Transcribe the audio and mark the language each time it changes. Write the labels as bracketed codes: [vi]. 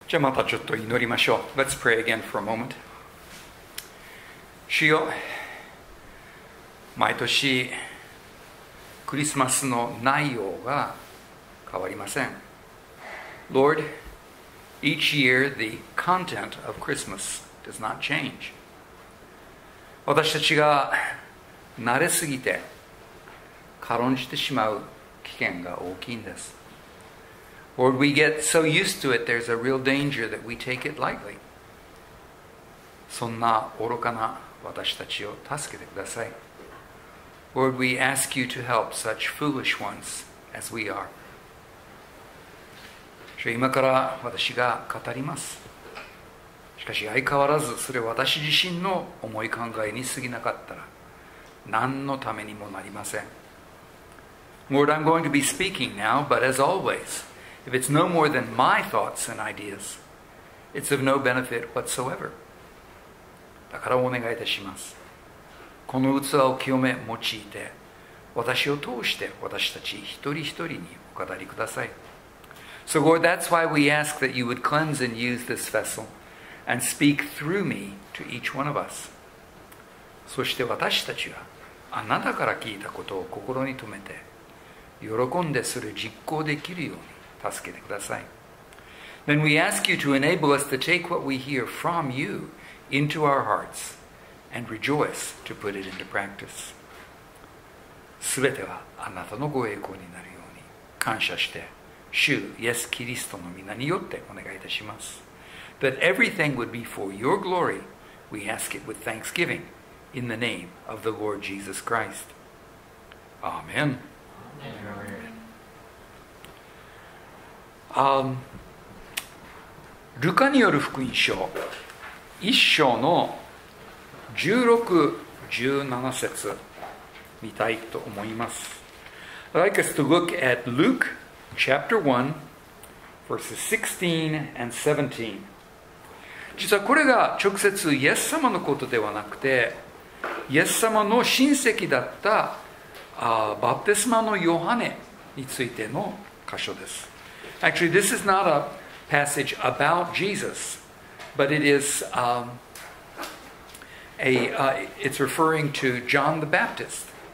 [ja] じゃあまたちょっと祈りましょう。 [en] Let's pray again for a moment. [ja] 主よ、毎年クリスマスの内容が変わりません。 [en] Lord, each year the content of Christmas does not change. [ja] 私たちが慣れすぎて軽んじてしまう危険が大きいんです。 [en] Lord, we get so used to it, there's a real danger that we take it lightly. [ja] そんな愚かな私たちを助けてください。 [en] Lord, we ask you to help such foolish ones as we are. [ja] 今から私が語ります。しかし相変わらずそれ私自身の思い考えに過ぎなかったら何のためにもなりません。 [en] Lord, I'm going to be speaking now, but as always,If it's no more than my thoughts and ideas, it's of no benefit whatsoever. [ja] だからお願いいたします。この器を清め用いて、私を通して私たち一人一人にお語りください。 [en] So Lord, that's why we ask that you would cleanse and use this vessel and speak through me to each one of us. [ja] そして私たちはあなたから聞いたことを心に留めて、喜んでそれを実行できるように。助けてください。 [en] Then we ask you to enable us to take what we hear from you into our hearts and rejoice to put it into practice. [ja] すべてはあなたのご栄光になるように感謝して、主イエスキリストの御名によってお願いいたします。 [en] That everything would be for your glory, we ask it with thanksgiving in the name of the Lord Jesus Christ. Amen. Amen. [ja] ルカによる福音書1章の16、17節見たいと思います。 [en] I'd like us to look at Luke chapter 1 verses 16 and 17. [ja] 実はこれが直接イエス様のことではなくて、イエス様の親戚だったバプテスマのヨハネについての箇所です。 [en] Actually, this is not a passage about Jesus, but it is it's referring to John the Baptist.